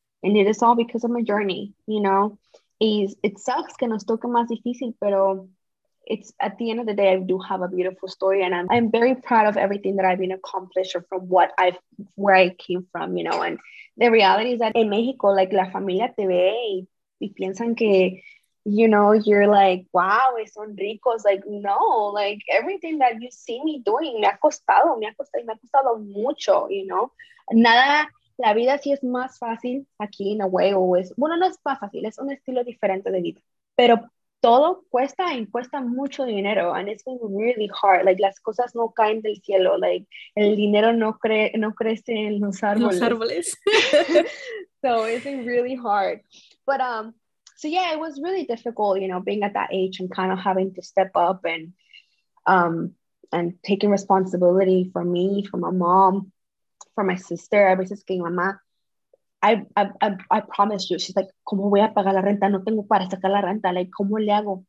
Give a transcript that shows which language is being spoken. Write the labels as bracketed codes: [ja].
[en] And it is all because of my journey, you know. It sucks, [es] que nos toque más difícil, [en] pero it's at the end of the day, I do have a beautiful story, and I'm very proud of everything that I've been accomplished or from what I've, where I came from, you know. And the reality is that in Mexico, like, [es] la familia te ve y piensan que, [en] you know, you're like, wow, [es] son ricos. [en] Like, no, like, everything that you see me doing, [es] me ha costado mucho, [en] you know. [es] Nada. La vida sí es más fácil aquí, [en] in a way, [es] o es, bueno, no es más fácil, es un estilo diferente de vida. Pero todo cuesta y cuesta mucho dinero, [en] and it's been really hard. [es] Like, las cosas no caen del cielo, like, el dinero no crece en los árboles. Los árboles. [en] So it's been really hard. But, so yeah, it was really difficult, you know, being at that age and kind of having to step up and taking responsibility for me, for my mom. For my sister, [es] a veces que mi mamá, [en] I promise you, she's like, [es] ¿cómo voy a pagar la renta? No tengo para sacar la renta. Like, ¿cómo le hago?